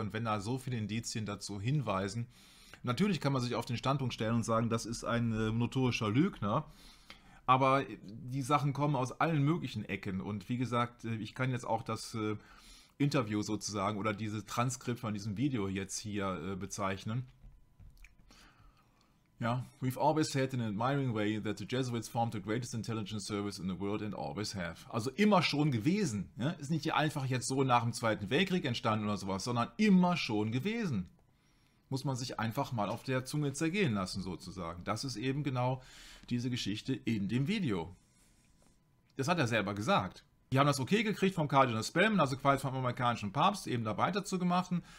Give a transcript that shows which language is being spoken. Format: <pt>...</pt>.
<de>Und wenn da so viele Indizien dazu hinweisen, natürlich kann man sich auf den Standpunkt stellen und sagen, das ist ein notorischer Lügner. Aber die Sachen kommen aus allen möglichen Ecken und wie gesagt, ich kann jetzt auch das Interview sozusagen oder dieses Transkript von diesem Video jetzt hier bezeichnen.</de> <en>Ja, we've always said in an admiring way that the Jesuits formed the greatest intelligence service in the world and always have.</en> <de>Also immer schon gewesen. Ja? Ist nicht einfach jetzt so nach dem Zweiten Weltkrieg entstanden oder sowas, sondern immer schon gewesen. muss man sich einfach mal auf der Zunge zergehen lassen, sozusagen. Das ist eben genau diese Geschichte in dem Video. Das hat er selber gesagt. Die haben das okay gekriegt vom Kardinal Spellman, also quasi vom amerikanischen Papst, eben da weiterzumachen.</de>